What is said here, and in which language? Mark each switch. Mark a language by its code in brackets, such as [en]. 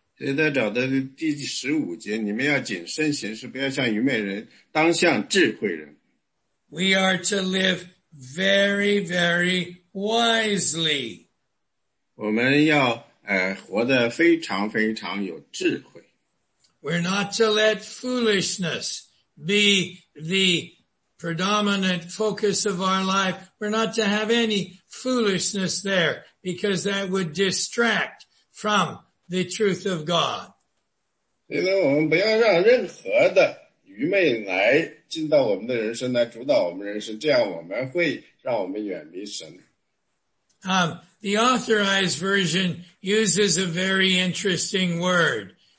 [zh] 所以在找的第十五节，你们要谨慎行事，不要像愚昧人，当像智慧人。 [en] We are to live very, very wisely. [zh] 我们要活得非常非常有智慧。 [en] We're not to let foolishness be the predominant focus of our life. We're not to have any foolishness there because that would distract from the truth of God. [zh] 所以呢，我们不要让任何的愚昧来进到我们的人生，来主导我们人生，这样我们会让我们远离神。 [en] The Authorized Version uses a very interesting word.